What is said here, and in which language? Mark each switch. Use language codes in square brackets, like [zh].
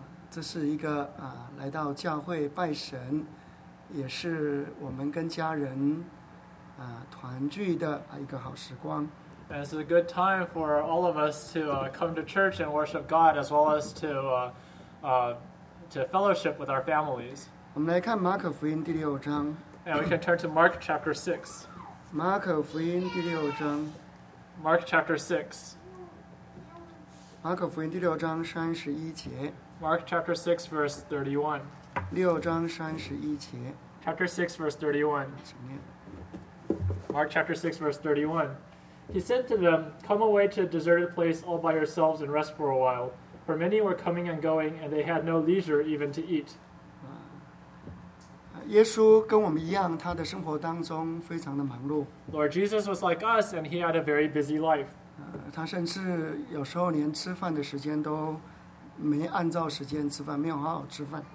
[zh] 这是一个来到教会拜神，也是我们跟家人团聚的一个好时光。 [en] And it's a good time for all of us to come to church and worship God, as well as to fellowship with our families. [zh] 我们来看马可福音第六章。 [en] And we can turn to Mark chapter 6. [zh] 马可福音第六章。 [en] Mark chapter 6. [zh] 马可福音第六章三十一节。 [en] Mark chapter 6 verse 31. [zh] 六章三十一节。 [en] Chapter 6 verse 31. [zh] 请念。 [en] Mark chapter 6 verse 31. He said to them, Come away to a deserted place all by yourselves and rest for a while. For many were coming and going, and they had no leisure even to eat. [zh] 耶稣跟我们一样，他的生活当中非常的忙碌。 [en] Lord Jesus was like us, and he had a very busy life. [zh] 他甚至有时候连吃饭的时间都没按照时间吃饭，没有好好吃饭。